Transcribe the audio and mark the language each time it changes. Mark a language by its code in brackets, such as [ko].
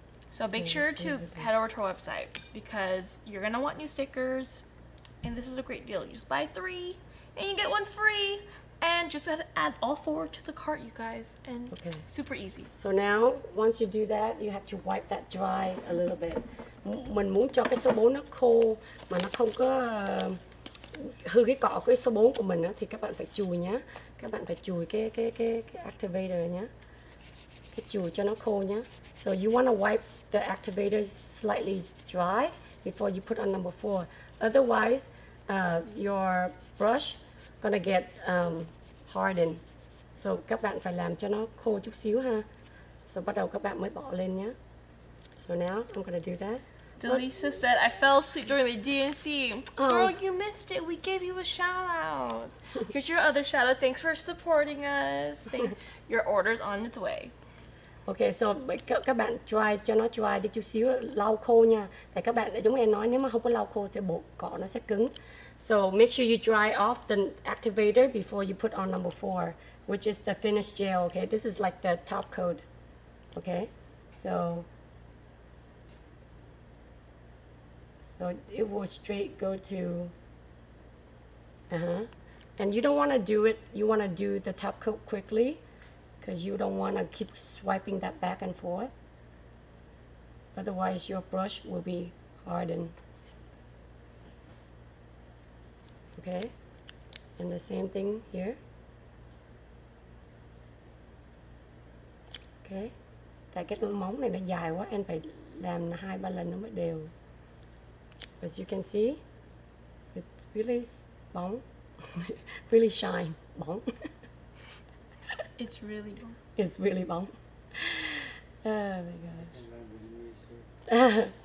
[en] So make sure to head over to our website because you're going to want new stickers and this is a great deal. You just buy 3 and you get 1 free. And just gotta add all 4 to the cart, you guys. And okay. Super easy. So now, once you do that, you have to wipe that dry a little bit. [vi] Mình muốn cho cái số 4 nó khô, mà nó không có hư cái cọ cái số 4 của mình á, thì các bạn phải chùi nhá. Các bạn phải chùi cái activator nhá. Cái chùi cho nó khô nhá. [en] So you want to wipe the activator slightly dry before you put on number 4. Otherwise, your brush gonna get hardened. [vi] So các bạn phải làm cho nó khô chút xíu ha. So bắt đầu các bạn mới bỏ lên nhé. [en] So now I'm gonna do that. Delisa said I fell asleep during the DNC. Oh. Girl, you missed it. We gave you a shout out. Here's your other shout out. Thanks for supporting us. Your order's on its way. [vi] Okay, so các bạn dry cho nó dry đi chút xíu, lau khô nha. Tại các bạn giống em nói, nếu mà không có lau khô thì bộ cỏ nó sẽ cứng. [en] So make sure you dry off the activator before you put on number 4, which is the finished gel, okay? This is like the top coat, okay? So it will straight go to, And you don't wanna do it, you wanna do the top coat quickly because you don't wanna keep swiping that back and forth. Otherwise your brush will be hardened. Okay, and the same thing here. [vi] Okay, tại cái móng này nó dài quá, em phải làm 2-3 lần nó mới đều. [en] As you can see, it's really bóng, really shine, bóng. It's really bóng. It's really bóng. Oh my gosh.